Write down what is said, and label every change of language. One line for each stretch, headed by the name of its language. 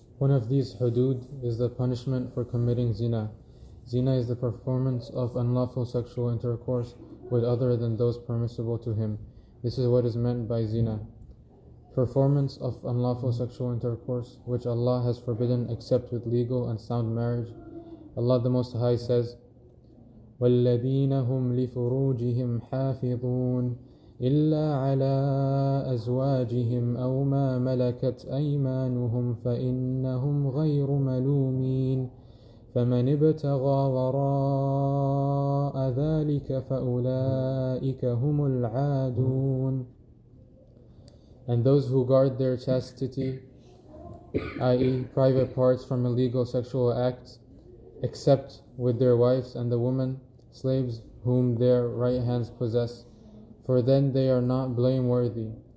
English: One of these hudud is the punishment for committing zina. Zina is the performance of unlawful sexual intercourse with other than those permissible to him. This is what is meant by zina. Performance of unlawful sexual intercourse, which Allah has forbidden except with legal and sound marriage. Allah the Most High says,
Arabic: وَالَّذِينَ هُمْ لِفُرُوجِهِمْ حَافِظُونَ إِلَّا عَلَىٰ أَزْوَاجِهِمْ أَوْ مَا مَلَكَتْ أَيْمَانُهُمْ فَإِنَّهُمْ غَيْرُ مَلُومِينَ. فمن ابتغى وراء ذلك فأولئك هم العادون.
English: And those who guard their chastity, i.e. private parts from illegal sexual acts, except with their wives and the women, slaves whom their right hands possess, for then they are not blameworthy.